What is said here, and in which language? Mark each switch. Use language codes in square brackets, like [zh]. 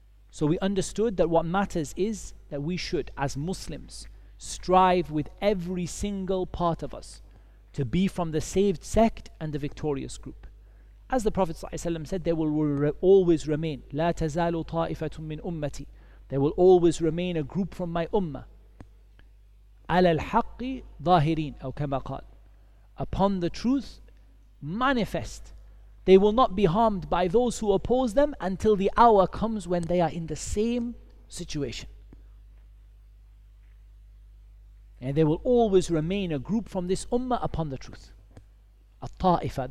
[en] So we understood that what matters is that we should, as Muslims, strive with every single part of us to be from the saved sect and the victorious group. As the Prophet ﷺ said, there will always remain, [ar] لا تزال طائفة من أمتي. [en] There will always remain a group from my ummah. [ar] على الحق ظاهرين أو كما قال. [en] Upon the truth, manifest. They will not be harmed by those who oppose them until the hour comes when they are in the same situation. And there will always remain a group from this ummah upon the truth. A ta'ifa.